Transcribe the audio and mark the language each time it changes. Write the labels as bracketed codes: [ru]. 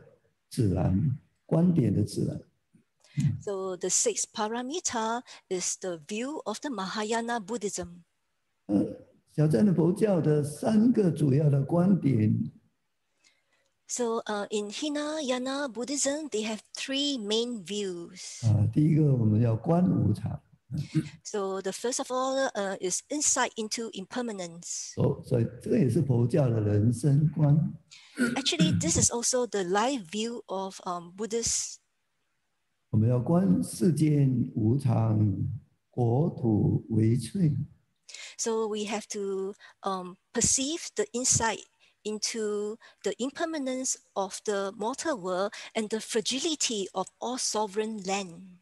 [zh] 这六波罗蜜就是大乘佛教的指南，观点的指南。 [en] So the sixth paramita is the view of the Mahayana Buddhism. [zh] 小乘佛教的三个主要的观点。 [en] So in Hinayana Buddhism, they have three main views. [zh] 第一个我们要观无常。 [en] So the first of all is insight into impermanence. So [zh] 这个也是佛教的人生观。 [en] Actually, this is also the life view of Buddhists. [zh] 我们要观世间无常，国土为脆。 [en] So we have to perceive the insight into the impermanence of the mortal world and the fragility of all sovereign land.